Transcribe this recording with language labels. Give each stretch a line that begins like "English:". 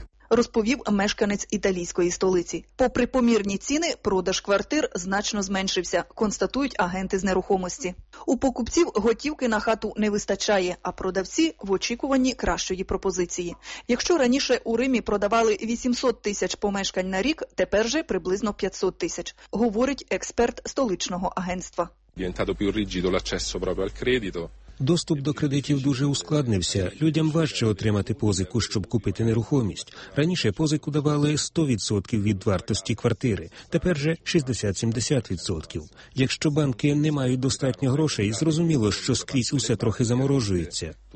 Ukrainian: Розповів мешканець італійської столиці. Попри помірні ціни, продаж квартир значно зменшився, констатують агенти з нерухомості. У покупців готівки на хату не вистачає, а продавці – в очікуванні кращої пропозиції. Якщо раніше у Римі продавали 800 тисяч помешкань на рік, тепер же приблизно 500 тисяч, говорить експерт столичного агентства.
Italian: Diventato più rigido l'accesso proprio al credito.
Ukrainian: Доступ до кредитів дуже ускладнився. Людям важче отримати позику, щоб купити нерухомість. Раніше позику давали 100% від вартості квартири. Тепер же 60-70%. Якщо банки не мають достатньо грошей, зрозуміло, що скрізь усе трохи заморожується.